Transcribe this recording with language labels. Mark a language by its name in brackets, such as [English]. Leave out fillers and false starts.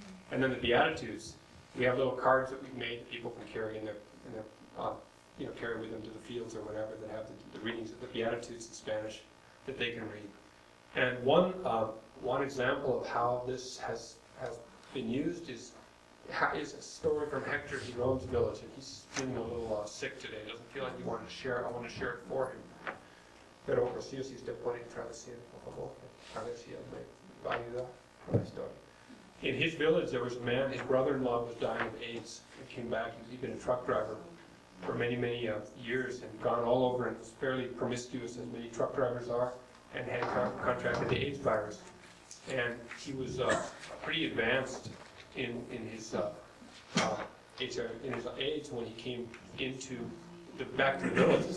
[English] And then the Beatitudes, we have little cards that we've made that people can carry in their carry with them to the fields or whatever, that have the readings of the Beatitudes in Spanish that they can read. And one example of how this has been used is a story from Hector. He roams the village, and he's feeling a little sick today. He doesn't feel like he wanted to share it. I want to share it for him. [Spanish] Pero Rocío, si usted puede traducir, por favor, a ver si él me va a ayudar con la historia. [English] In his village, there was a man, his brother-in-law was dying of AIDS. He came back, he'd been a truck driver for many, many years, and gone all over, and was fairly promiscuous, as many truck drivers are, and had contracted the AIDS virus. And he was pretty advanced in his AIDS when he came into back to the village.